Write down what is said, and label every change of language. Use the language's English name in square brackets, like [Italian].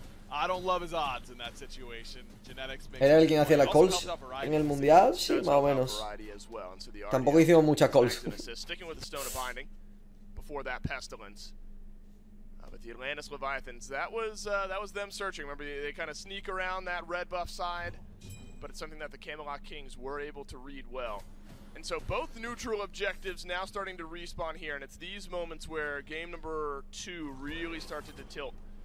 [English] I don't love his odds in that situation. Genetics makes. [Spanish] Era el quien hacía las calls en el mundial, sí, más o menos. Tampoco hicimos muchas calls. [English] Sticking with the stone of binding before that pestilence. But the Atlantis Leviathans, that was them searching. Remember, they kind of sneak around that red buff side, but it's something that the Camelot Kings were able to read well. And so both neutral objectives now starting to respawn here, and it's these moments where game number two really started to tilt.